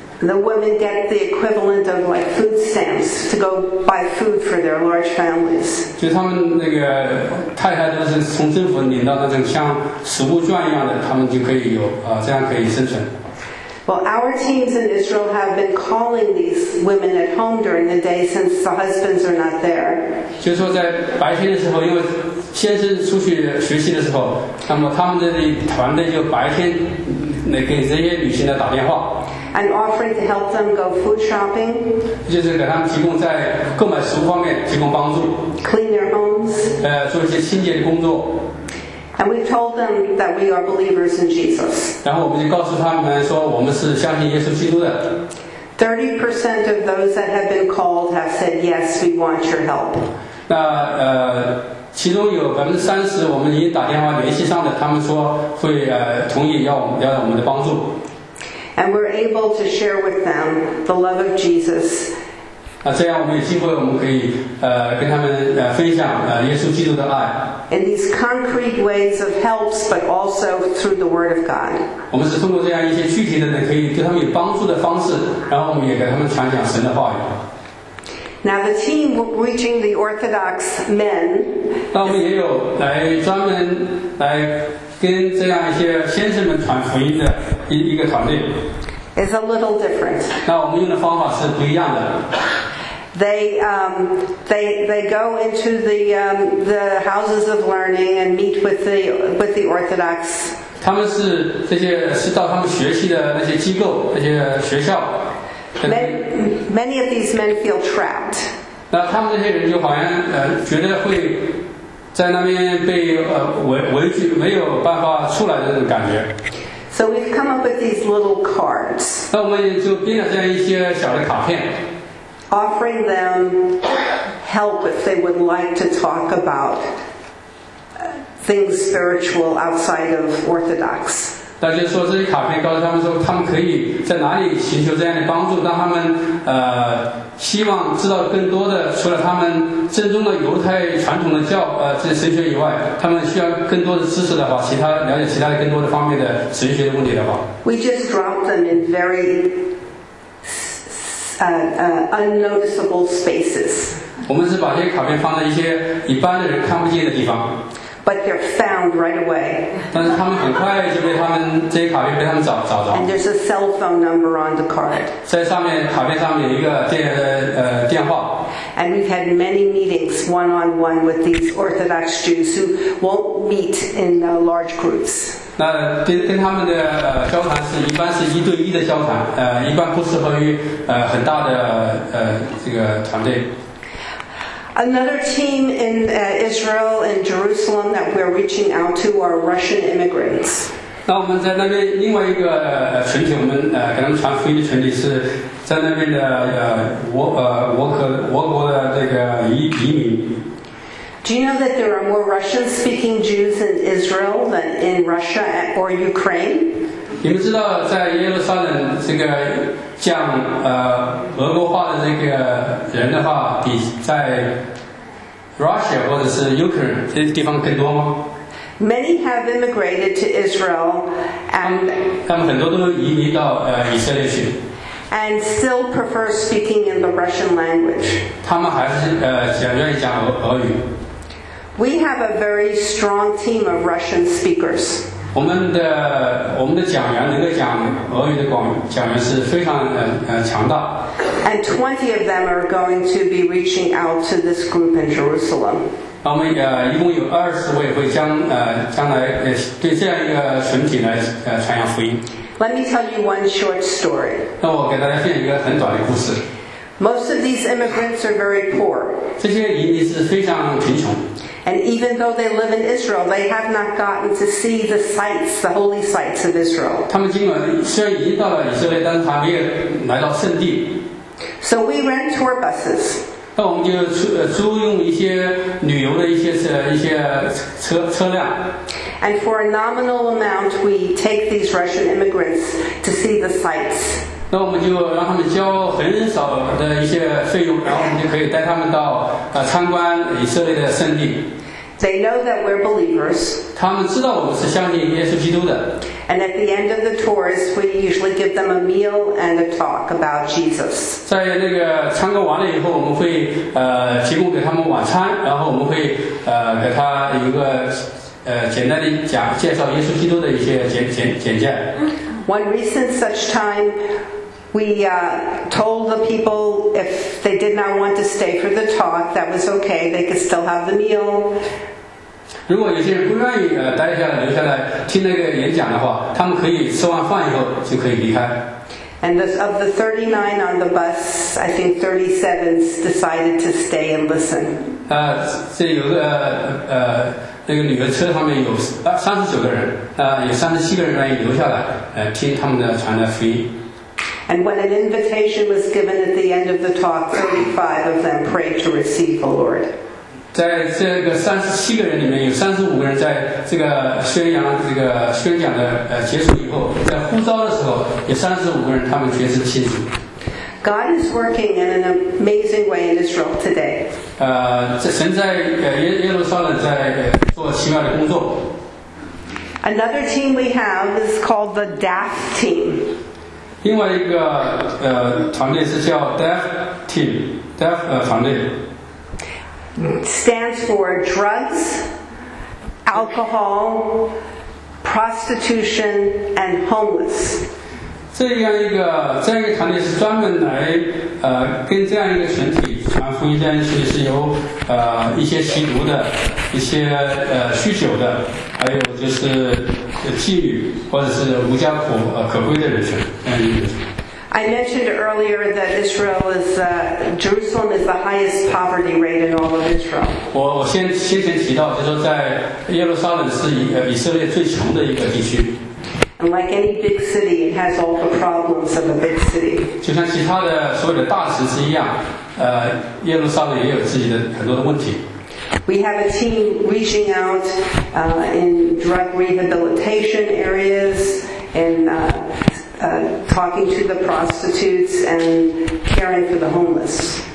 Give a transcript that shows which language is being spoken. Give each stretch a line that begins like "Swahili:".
English: The women get the equivalent of like food stamps to go buy food for their large families
Chinese: 就他们那个太太都是从政府领到那种像食物券一样的他们就可以有这样可以生存
English: Well our teams in Israel have been calling these women at home during the day since the husbands are not there
Chinese: 就是说在白天的时候因为先生出去学习的时候，那么他们的团队就白天来给这些女性来打电话。
English: And offering to help them go food shopping.
Chinese: 就是给他们提供在购买食物方面提供帮助。
English: Clean their homes.
Chinese: 做一些清洁的工作。
English: And we told them that we are believers in Jesus.
Chinese: 然后我们就告诉他们说，我们是相信耶稣基督的。
English: 30% of those that have been called have said yes, we want your help.
Chinese: 那其中有30%，我们已经打电话联系上的，他们说会同意要我们的帮助。
English: And we're able to share with them the love of Jesus.
Chinese: 这样我们有机会，我们可以跟他们分享耶稣基督的爱。
English: In these concrete ways of helps, but also through the Word of God.
Chinese: 我们是通过这样一些具体的可以对他们有帮助的方式，然后我们也给他们传讲神的话语。
English: Now the team reaching the Orthodox men.
Chinese: 那我们也有来专门来跟这样一些先生们传福音的一个团队。
English: It's a little different.
Chinese: 那我们用的方法是不一样的。
English: They go into the houses of learning and meet with the Orthodox.
Chinese: 他们是这些是到他们学习的那些机构那些学校。
English: Many of these men feel trapped.
Chinese: 那他们这些人就好像觉得会在那边被围住，没有办法出来的那种感觉。
English: So we've come up with these little cards.
Chinese: 那我们就编了这样一些小的卡片。
English: Offering them help if they would like to talk about things spiritual outside of Orthodox.
Chinese: 那就是说，这些卡片告诉他们说，他们可以在哪里寻求这样的帮助，让他们希望知道更多的，除了他们正宗的犹太传统的教这神学以外，他们需要更多的知识的话，其他了解其他的更多的方面的神学的问题的话。
English: We just drop them in very unnoticeable spaces.
Chinese: 我们只把这些卡片放在一些一般的人看不见的地方。
English: But they're found right away.
Chinese: 但是他们很快就被他们这些卡片被他们找着。
English: And there's a cell phone number on the card.
Chinese: 在上面卡片上面有一个电话。
English: And we've had many meetings one-on-one with these Orthodox Jews who won't meet in large groups.
Chinese: 那跟他们的交谈是一般是一对一的交谈，一般不适合于很大的这个团队。
English: Another team in Israel and Jerusalem that we're reaching out to are Russian immigrants.
Chinese: 那我们在那边另外一个群体，我们给他们传福音的群体是在那边的俄国的这个移民。
English: Do you know that there are more Russian-speaking Jews in Israel than in Russia or Ukraine?
Chinese: 你们知道在耶路撒冷这个讲俄国话的这个人的话，比在 Russia 或者是 Ukraine 这些地方更多吗？
English: Many have immigrated to Israel and
Chinese: 他们很多都移民到以色列去。
English: And still prefer speaking in the Russian language.
Chinese: 他们还是愿意讲俄语。
English: We have a very strong team of Russian speakers.
Chinese: 我们的讲员能够讲俄语的讲员是非常强大。
English: And 20 of them are going to be reaching out to this group in Jerusalem.
Chinese: 我们一共有20位会将来对这样一个群体来传扬福音。
English: Let me tell you one short story.
Chinese: 那我给大家分享一个很短的故事。
English: Most of these immigrants are very poor.
Chinese: 这些移民是非常贫穷。
English: And even though they live in Israel, they have not gotten to see the sites, the holy sites of Israel.
Chinese: 他们虽然已经到了以色列，但是还没有来到圣地。
English: So we rent tour buses.
Chinese: 那我们就租用一些旅游的一些车辆。
English: And for a nominal amount, we take these Russian immigrants to see the sites.
Chinese: 那我们就让他们交很少的一些费用，然后我们就可以带他们到参观以色列的圣地。
English: They know that we're believers.
Chinese: 他们知道我们是相信耶稣基督的。
English: And at the end of the tours, we usually give them a meal and a talk about Jesus.
Chinese: 在那个参观完了以后，我们会提供给他们晚餐，然后我们会给他一个简单的介绍耶稣基督的一些简介。
English: One recent such time, we told the people if they did not want to stay for the talk, that was okay, they could still have the meal.
Chinese: 如果有些人不愿意待下来留下来听那个演讲的话，他们可以吃完饭以后就可以离开。
English: And of the 39 on the bus, I think 37 decided to stay and listen.
Chinese: 那个旅游车上面有39个人，有37个人愿意留下来，听他们的传的福音。
English: And when an invitation was given at the end of the talk, 35 of them prayed to receive the Lord.
Chinese: 在这个37个人里面，有35个人在这个宣讲的结束以后，在呼召的时候，有35个人他们决心信主。
English: God is working in an amazing way in Israel today.
Chinese: 神在耶路撒冷在做奇妙的工作。
English: Another team we have is called the DAF team.
Chinese: 另外一个团队是叫 DAF team, DAF 团队。
English: Stands for drugs, alcohol, prostitution, and homeless.
Chinese: 这样一个团队是专门来跟这样一个群体传福音，这样一个群体是由一些吸毒的、一些酗酒的，还有就是妓女或者是无家可归的人群。
English: I mentioned earlier that Israel is Jerusalem is the highest poverty rate in all of Israel.
Chinese: 我先前提到，就是在耶路撒冷是以色列最穷的一个地区。
English: And like any big city, it has all the problems of a big city.
Chinese: 就像其他的所有的大城市一样，耶路撒冷也有自己的很多的问题。
English: We have a team reaching out in drug rehabilitation areas, and talking to the prostitutes and caring for the homeless.